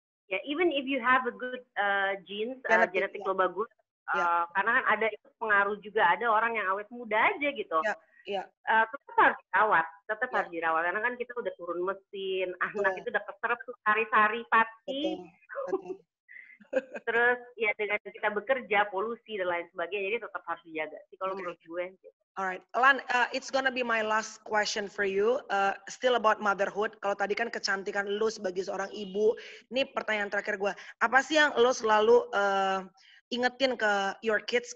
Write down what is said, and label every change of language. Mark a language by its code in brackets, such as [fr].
[id] Ya, [en] yeah, even if you have a good genes, [id] genetik lo bagus, karena kan ada itu pengaruh juga, ada orang yang awet muda aja gitu. Tetap harus dirawat, tetap harus dirawat. Karena kan kita udah turun mesin, anak itu udah keserap sari-sari pati. Terus ya dengan kita bekerja, polusi dan lain sebagainya, jadi tetap harus dijaga sih kalau menurut gue. [en] Alright, Lan, it's gonna be my last question for you, still about motherhood. [id] Kalau tadi kan kecantikan lo sebagai seorang ibu, ini pertanyaan terakhir gue. Apa sih yang lo selalu ingetin ke [en] your kids?